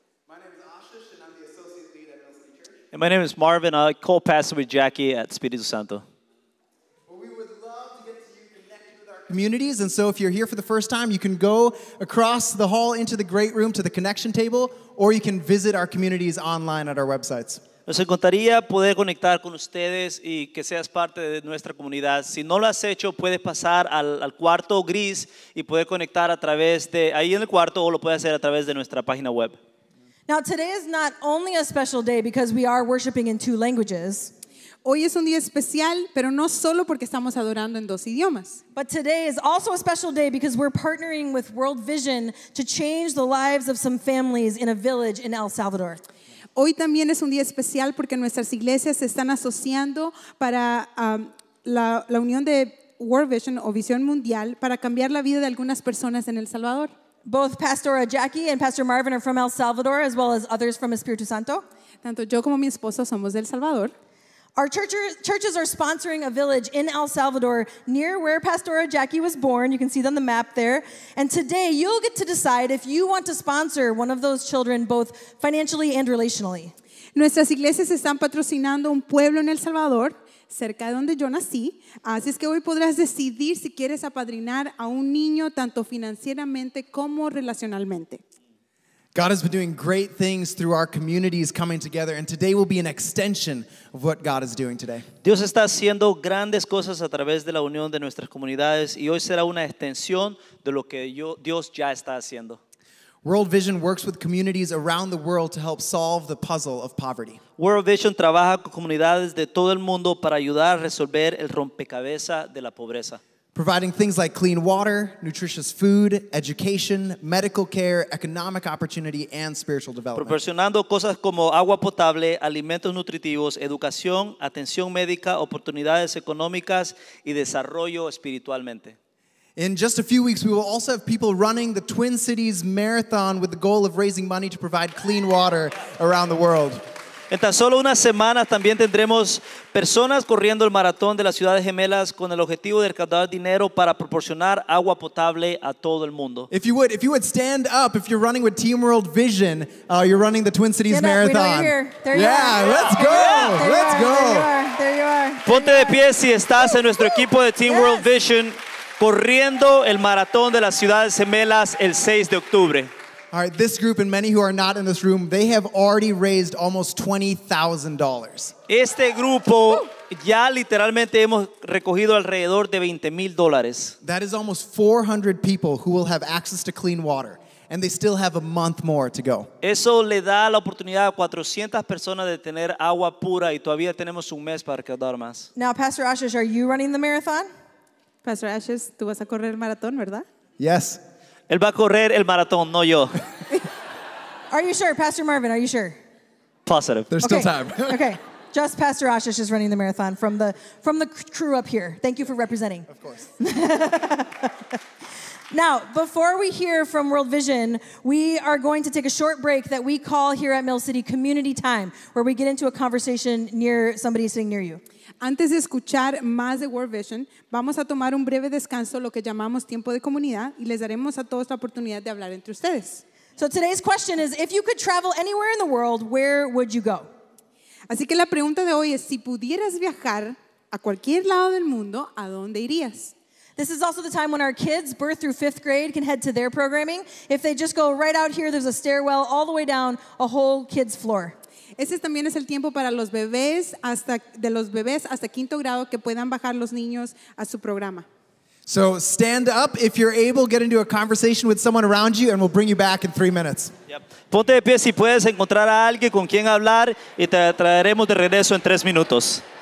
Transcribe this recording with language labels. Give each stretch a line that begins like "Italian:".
English: My name is Ashish, and I'm the associate lead at Mill City Church. And my name is Marvin. I'm co-pastor with Jackie at Espíritu Santo. Well, we would love to get to you connected with our communities, and so if you're here for the first time, you can go across the hall into the great room to the connection table, or you can visit our communities online at our websites.
Spanish: Nos encantaría poder conectar con ustedes y que seas parte de nuestra comunidad. Si no lo has hecho, puedes pasar al cuarto gris y poder conectar a través de ahí en el cuarto o lo puedes hacer a través de nuestra página web.
English: Now today is not only a special day because we are worshiping in two languages.
Spanish: Hoy es un día especial, pero no solo porque estamos adorando en dos idiomas.
English: But today is also a special day because we're partnering with World Vision to change the lives of some families in a village in El Salvador.
Spanish: Hoy también es un día especial porque nuestras iglesias se están asociando para la unión de World Vision o Visión Mundial para cambiar la vida de algunas personas en El Salvador.
English: Both Pastora Jackie and Pastor Marvin are from El Salvador, as well as others from Espíritu Santo.
Spanish: Tanto yo como mi esposo somos de El Salvador.
English: Our churches are sponsoring a village in El Salvador near where Pastora Jackie was born. You can see it on the map there. And today you'll get to decide if you want to sponsor one of those children both financially and relationally.
Spanish: Nuestras iglesias están patrocinando un pueblo en El Salvador, cerca de donde yo nací. Así es que hoy podrás decidir si quieres apadrinar a un niño tanto financieramente como relacionalmente.
English: God has been doing great things through our communities coming together, and today will be an extension of what God is doing today.
Spanish: Dios está haciendo grandes cosas a través de la unión de nuestras comunidades, y hoy será una extensión de lo que Dios ya está haciendo.
English: World Vision works with communities around the world to help solve the puzzle of poverty.
Spanish: World Vision trabaja con comunidades de todo el mundo para ayudar a resolver el rompecabezas de la pobreza.
English: Providing things like clean water, nutritious food, education, medical care, economic opportunity, and spiritual development.
Spanish: Proporcionando cosas como agua potable, alimentos nutritivos, educación, atención médica, oportunidades económicas, y desarrollo espiritualmente.
English: In just a few weeks, we will also have people running the Twin Cities Marathon with the goal of raising money to provide clean water around the world.
Spanish: En tan solo unas semanas también tendremos personas corriendo el maratón de las ciudades gemelas con el objetivo de recaudar dinero para proporcionar agua potable a todo el mundo.
English: If you would stand up, if you're running with Team World Vision, you're running the Twin Cities Marathon. We know you're here. There you yeah, are. Let's go. There let's are. There you are.
Spanish: Ponte de pie si estás en nuestro equipo de Team World Vision corriendo el maratón de las ciudades gemelas el 6 de octubre.
English: All right, this group and many who are not in this room, they have already raised almost $20,000.
Spanish: Este grupo ya literalmente hemos recogido alrededor de $20,000.
English: That is almost 400 people who will have access to clean water, and they still have a month more to go.
Spanish: Eso le da la oportunidad a 400 personas de tener agua pura y todavía tenemos un mes para recaudar más.
English: Now, Pastor Ashish, are you running the marathon?
Spanish: Pastor Ashish, tú vas a correr el maratón, ¿verdad?
English: Yes.
Spanish: Él va a correr el maratón, no yo.
English: Are you sure, Pastor Marvin? Are you sure? Positive. There's still time. Okay. Just Pastor Ashish is running the marathon from the crew up here. Thank you for representing. Of course. Now, before we hear from World Vision, we are going to take a short break that we call here at Mill City Community Time, where we get into a conversation near somebody sitting near you.
Spanish: Antes de escuchar más de World Vision, vamos a tomar un breve descanso, lo que llamamos tiempo de comunidad, y les daremos a todos la oportunidad de hablar entre ustedes.
English: So today's question is, if you could travel anywhere in the world, where would you go?
Spanish: Así que la pregunta de hoy es, si pudieras viajar a cualquier lado del mundo, ¿a dónde irías?
English: This is also the time when our kids, birth through fifth grade, can head to their programming. If they just go right out here, there's a stairwell all the way down, a whole kid's floor.
Spanish: Ese también es el tiempo para los bebés hasta quinto grado que puedan bajar los niños a su programa.
English: So stand up if you're able, get into a conversation with someone around you, and we'll bring you back in 3 minutes. Yep.
Spanish: Ponte de pie si puedes encontrar a alguien con quien hablar y te traeremos de regreso en 3 minutos.